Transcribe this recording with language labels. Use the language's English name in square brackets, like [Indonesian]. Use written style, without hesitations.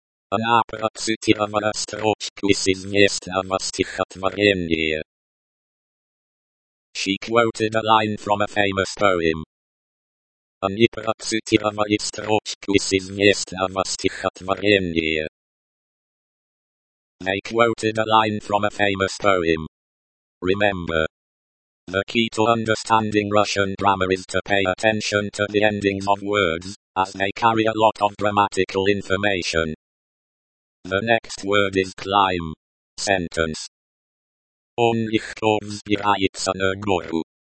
[Russian] Она процитировала строчку из известного стихотворения. [English] She quoted a line from a famous poem. [Russian] Они процитировали строчку из известного стихотворения. [English] They quoted a line from a famous poem. Remember, the key to understanding Russian grammar is to pay attention to the endings of words, as they carry a lot of grammatical information. The next word is climb. Sentence. [Russian] Он легко взбирается на гору.